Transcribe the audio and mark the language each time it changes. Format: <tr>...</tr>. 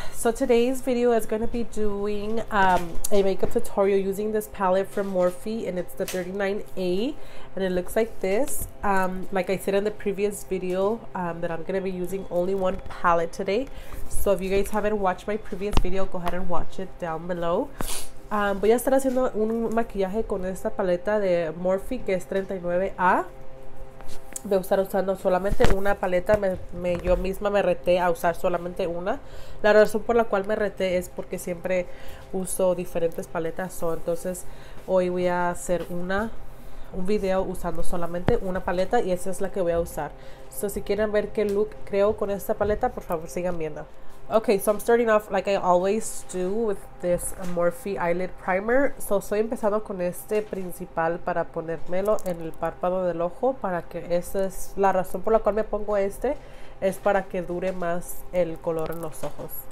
<en>So today's video is going to be doing a makeup tutorial using this palette from Morphe, and it's the 39A, and it looks like this. Like I said in the previous video, that I'm going to be using only one palette today. So if you guys haven't watched my previous video, go ahead and watch it down below.</en> <es>Voy a estar haciendo un maquillaje con esta paleta de Morphe, que es 39A. Voy a estar usando solamente una paleta. Yo misma me reté a usar solamente una. La razón por la cual me reté es porque siempre uso diferentes paletas. Entonces hoy voy a hacer un video usando solamente una paleta, y esa es la que voy a usar. So si quieren ver qué look creo con esta paleta, por favor sigan viendo.</es> <en>Okay, so I'm starting off like I always do with this Morphe eyelid primer.</en> <es>So estoy empezando con este principal para ponérmelo en el párpado del ojo, para que esa es la razón por la cual me pongo este, es para que dure más el color en los ojos.</es>